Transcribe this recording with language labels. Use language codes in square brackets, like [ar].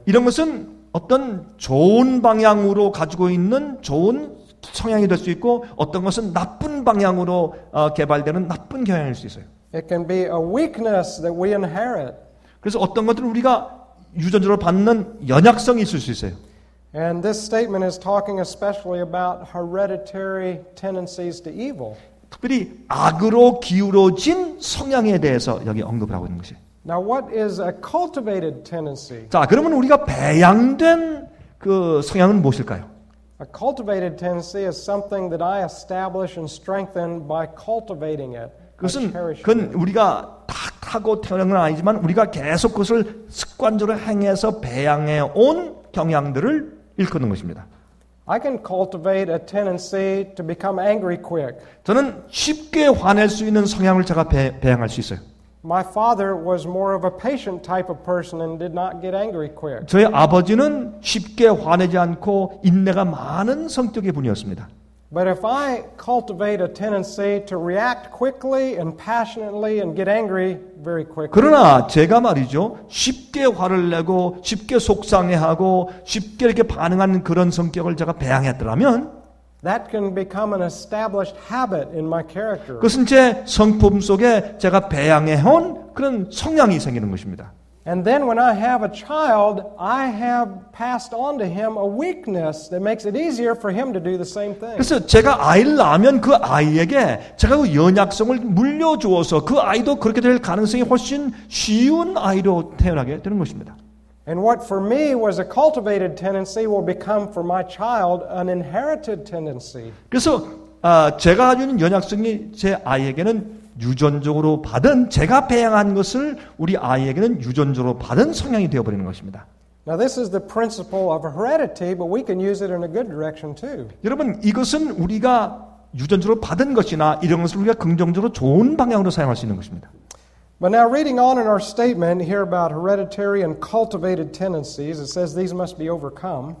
[ko] 이런 것은 어떤 좋은 방향으로 가지고 있는 좋은 성향이 될 수 있고 어떤 것은 나쁜 방향으로 개발되는 나쁜 경향일 수 있어요. [en] It can be a weakness that we inherit. [ko] 그래서 어떤 것들은 우리가 유전적으로 받는 연약성이 있을 수 있어요. [en] And this statement is talking especially about hereditary tendencies to evil. [ko] 특별히 악으로 기울어진 성향에 대해서 여기 언급을 하고 있는 것이. [en] Now what is a cultivated tendency? [ko] 자, 그러면 우리가 배양된 그 성향은 무엇일까요? [en] A cultivated tendency is something that I establish and strengthen by cultivating it. [ko] 그것은 그건 우리가 탁 하고 태어난 건 아니지만 우리가 계속 그것을 습관적으로 행해서 배양해 온 경향들을 일컫는 것입니다. [en] I can cultivate a tendency to become angry quick. [ko] 저는 쉽게 화낼 수 있는 성향을 제가 배양할 수 있어요. [en] My father was more of a patient type of person and did not get angry quick. [ko] 저희 아버지는 쉽게 화내지 않고 인내가 많은 성격의 분이었습니다. [en] But if I cultivate a tendency to react quickly and passionately and get angry very quickly. [ko] 그러나 제가 말이죠. 쉽게 화를 내고 쉽게 속상해하고 쉽게 이렇게 반응하는 그런 성격을 제가 배양했더라면 [en] That can become an established habit in my character. [ko] 그것은 제 성품 속에 제가 배양해온 그런 성향이 생기는 것입니다. [en] And then when I have a child, I have passed on to him a weakness that makes it easier for him to do the same thing. [ko] 그래서 제가 아이를 낳으면 그 아이에게 제가 그 연약성을 물려주어서 그 아이도 그렇게 될 가능성이 훨씬 쉬운 아이로 태어나게 되는 것입니다. [en] And what for me was a cultivated tendency will become for my child an inherited tendency. [ko] 그래서 제가 가진 연약성이 제 아이에게는 유전적으로 받은 제가 배양한 것을 우리 아이에게는 유전적으로 받은 성향이 되어 버리는 것입니다. [en] Now this is the principle of heredity, but we can use it in a good direction too. [ko] 여러분 이것은 우리가 유전적으로 받은 것이나 이런 것을 우리가 긍정적으로 좋은 방향으로 사용할 수 있는 것입니다. [en] But now reading on in our statement here about hereditary and cultivated tendencies, it says these must be overcome.